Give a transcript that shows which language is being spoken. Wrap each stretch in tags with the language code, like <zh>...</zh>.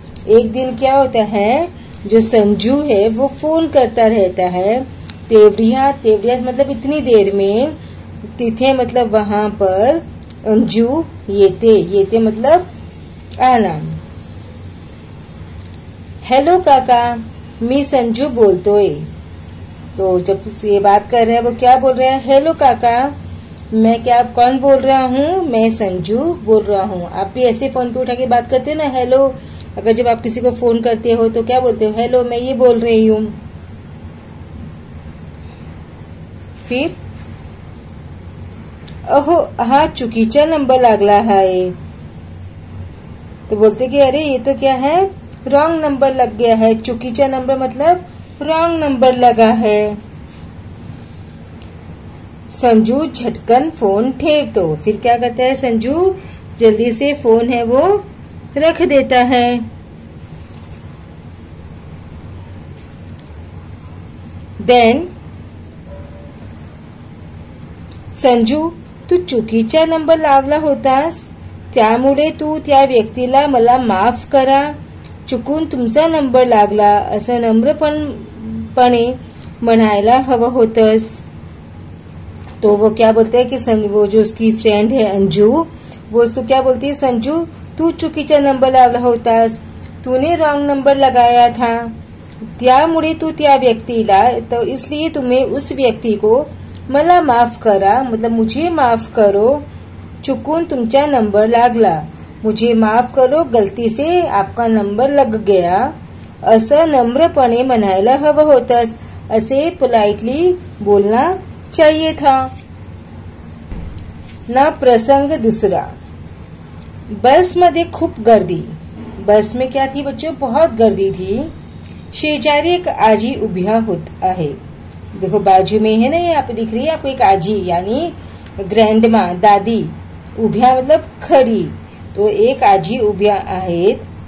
<hi>एक दिन क्या होता है, जो संजू है वो फोन करता रहता है तेवरिया, तेवरिया मतलब इतनी देर में,</hi> <mr>तिथे</mr> <hi>मतलब वहां पर,</hi> <mr>अंजू येते, येते</mr> <hi>मतलब आना।</hi> <mr>हेलो काका, मी संजू बोलतोय।</mr> <hi>तो जब ये बात कर रहे हैं वो क्या बोल रहे हैं, हेलो काका, मैं क्या, आप कौन बोल रहा हूँ, मैं संजू बोल रहा हूँ। आप भी ऐसे फोन पे उठा के बात करते हो ना, हेलो, अगर जब आप किसी को फोन करते हो तो क्या बोलते हो, हेलो मैं ये बोल रही हूँ। फिर ओहो हाँ,</hi> <mr>चुकीचा नंबर लगला है।</mr> <hi>तो बोलते कि अरे ये तो क्या है, रॉन्ग नंबर लग गया है,</hi> <mr>चुकीचा नंबर</mr> <hi>मतलब रॉन्ग नंबर लगा है।</hi> <mr>संजू झटकन फोन ठेव तो,</mr> <hi>फिर क्या करता है संजू, जल्दी से फोन है वो रख देता है।</hi> <mr>देन संजू तू चुकीचा नंबर लावला होतास, त्यामुळे तू त्या व्यक्तीला मला माफ करा, चुकून तुमचा नंबर लागला असं नम्रपणे म्हणायला हवं होतंस।</mr> <hi>तो वो क्या बोलते है कि वो जो उसकी फ्रेंड है अंजू, वो उसको क्या बोलती है,</hi> <mr>संजू तू चुकीचा नंबर लावला होतास,</mr> <hi>तूने रॉन्ग नंबर लगाया था,</hi> <mr>त्यामुळे तू त्या व्यक्तीला,</mr> <hi>तो इसलिए तुम्हें उस व्यक्ति को</hi> <mr>मला माफ करा,</mr> <hi>मतलब मुझे माफ करो,</hi> <mr>चुकून तुमचा नंबर लागला,</mr> <hi>मुझे माफ करो, गलती से आपका नंबर लग गया,</hi> <mr>असं नम्रपणे म्हणायला हवं होतंस,</mr> <hi>असे पोलाइटली बोलना चाहिए था।</hi> <mr>ना प्रसंग दुसरा, बस मध्ये खूप गर्दी।</mr> <hi>बस में क्या थी बच्चों, बहुत गर्दी थी।</hi> <mr>शेजारी एक आजी उभ्या होत आहे,</mr> <hi>देखो बाजू में है ना, ये आप दिख रही है आपको एक आजी यानी ग्रैंडमा, दादी, उभ्या मतलब खड़ी,</hi> <mr>तो एक आजी उभ्या आहेत।</mr>